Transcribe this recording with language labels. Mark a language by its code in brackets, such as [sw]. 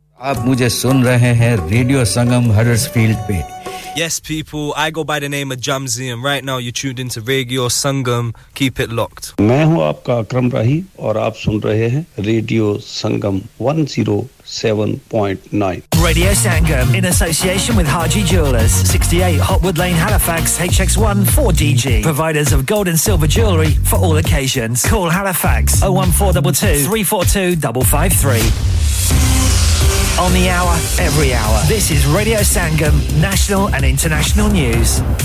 [hi] आप मुझे सुन रहे हैं रेडियो संगम हडर्सफील्ड पे. [en] Yes, people, I go by the name of Jamzy, and right now you're tuned into Radio Sangam. Keep it locked. [hi] मैं हूं आपका अकरम राही और आप सुन रहे हैं Radio Sangam 107.9. [en] Radio Sangam, in association with Haji Jewelers. 68 Hotwood Lane, Halifax, HX1 4DG. Providers of gold and silver jewellery for all occasions. Call Halifax 01422 342553. On the hour, every hour. This is Radio Sangam, national and international news.